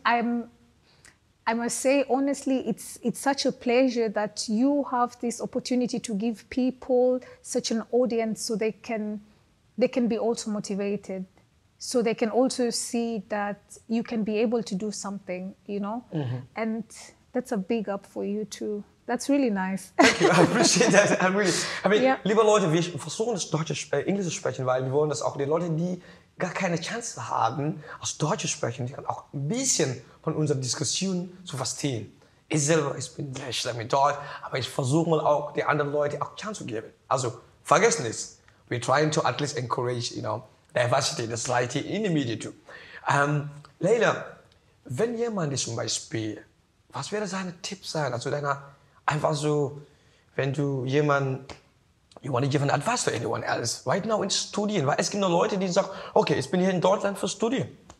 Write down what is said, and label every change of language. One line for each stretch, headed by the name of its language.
English: And I must say, honestly, it's such a pleasure that you have this opportunity to give people such an audience so they can be also motivated. So they can also see that you can be able to do something, you know? Mm-hmm. And that's a big up for you too. That's really nice. Thank you, I appreciate that.
German: Liebe Leute, wir versuchen das Deutsche, Englisch zu sprechen, weil wir wollen, dass auch die Leute, die gar keine Chance haben, aus Deutsch zu sprechen, die auch ein bisschen von unserer Diskussion zu verstehen. Ich bin sehr schlecht mit Deutsch, aber ich versuche mal auch, die anderen Leute auch Chance zu geben. Also, vergessen es.
English: We're trying to at least encourage, you know, diversity, the society in the media too.
German: Leila, wenn jemand zum Beispiel, was wäre seine Tipp sein? Also deiner, einfach so, wenn du jemanden,
English: you want to give an advice to anyone else, right now
German: in Studien, weil es gibt noch Leute, die sagen, okay, ich bin hier in Deutschland für Studien.